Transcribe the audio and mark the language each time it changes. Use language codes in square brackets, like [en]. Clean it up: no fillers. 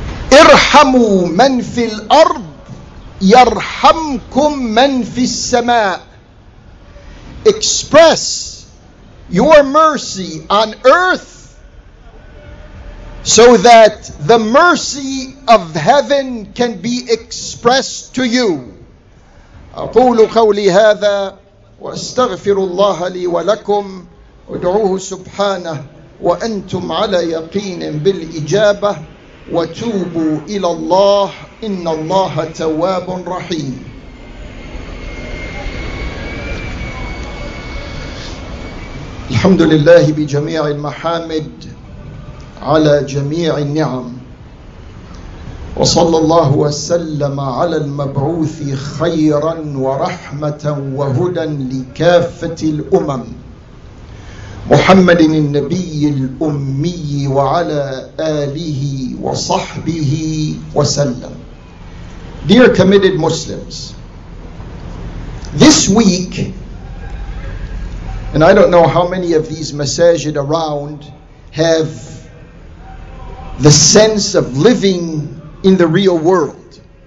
[ar] Irhamu man fil ard yarhamkum man fis samaa. [en] Express your mercy on earth so that the mercy of heaven can be expressed to you. [ar] أقول قولي هذا وأستغفر الله لي ولكم ودعوه سبحانه وأنتم على يقين بالإجابة وتوبوا إلى الله إن الله تواب رحيم. الحمد لله بجميع المحامد على جميع النعم وصلى الله وسلم على المبعوث خيرا ورحمة وهدى لكافة الأمم محمد النبي الأمي وعلى آله وصحبه وسلم. [en] Dear committed Muslims, this week, and I don't know how many of these masajid around have the sense of living in the real world.